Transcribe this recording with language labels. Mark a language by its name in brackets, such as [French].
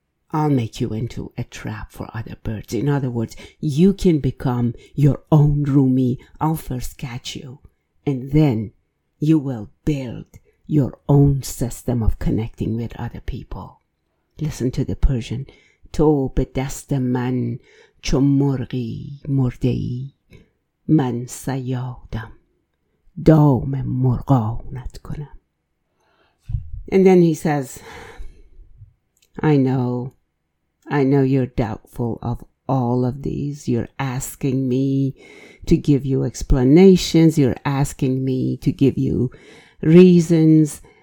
[English] I'll make you into a trap for other birds. In other words, you can become your own Rumi. I'll first catch you, and then you will build your own system of connecting with other people. Listen to the Persian. [Persian] تو به دست من چو مرغی مرده‌ای، من صیادم دام مرغانت کنم. [English] And then he says, I know you're doubtful of all of these. You're asking me to give you explanations. You're asking me to give you reasons.